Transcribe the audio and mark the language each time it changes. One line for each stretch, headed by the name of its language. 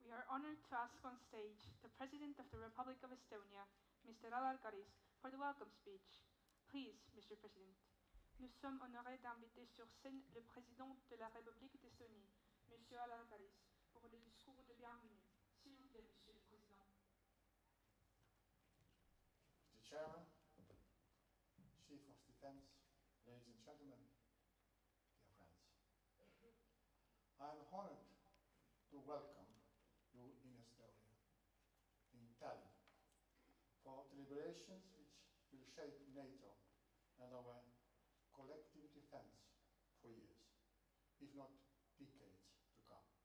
English: honor to ask on stage the President of the Republic of Estonia, Mr. Alar Karis, for the welcome speech. Please, Mr. President.
French: Nous sommes honorés d'inviter sur scène le Président de la République d'Estonie, Monsieur Alar Karis, pour le discours de bienvenue. S'il vous plaît, Monsieur le Président.
English: Mr. Chairman, Chief of Defense, ladies and gentlemen, dear friends, I am honored to welcome you in Estonia, in Tallinn, for deliberations which will shape NATO and our collective defense for years, if not decades to come.